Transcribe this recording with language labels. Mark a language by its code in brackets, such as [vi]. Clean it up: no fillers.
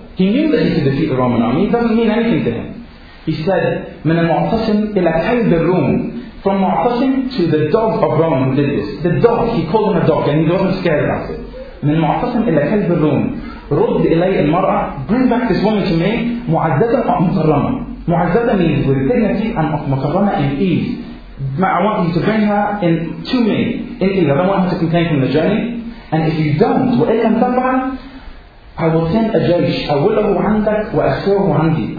[en] He knew that he could defeat the Roman army. It doesn't mean anything to him. He said, [ar] "Min al-Mu'tasim ila kalb al-Rum." [en] From Mu'tasim to the dog of Rome who did this. The dog, he called him a dog and he wasn't scared about it. [ar] من معتصم إلى كلب الروم رد إلي المرأة. [en] Bring back this woman to me [ar] معززة ومكرمة. [en] معززة means with dignity and مكرمة in ease. I want you to bring her in to me in ease. I don't want her to complain from the journey. And if you don't [ar] وإن لم تفعل [en] I will send a jaysh [ar] أوله عندك وأسره عندي.